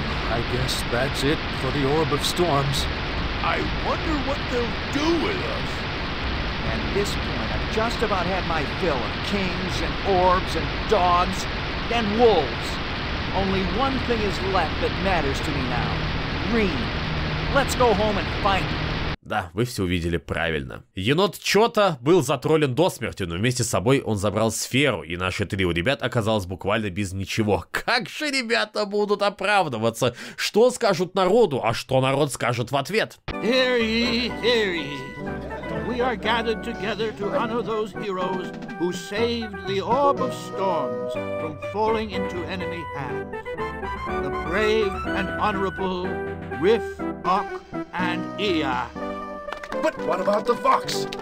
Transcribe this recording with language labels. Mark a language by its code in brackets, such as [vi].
[en] I guess that's it for the Orb of Storms. I wonder what they'll do with us. At this point, I've just about had my fill of kings and orbs and dogs and wolves. Only one thing is left that matters to me now. Reen. Let's go home and find him. [ru] Да, вы все увидели правильно. Енот Чота был затроллен до смерти, но вместе с собой он забрал сферу, и наши 3 у ребят оказалось буквально без ничего. Как же ребята будут оправдываться? Что скажут народу, а что народ скажет в ответ? [en] Here ye, here ye. We are gathered together to honor those heroes who saved the Orb of Storms from falling into enemy hands. The brave and honorable Riff, Ock, and Ea. But what about the fox?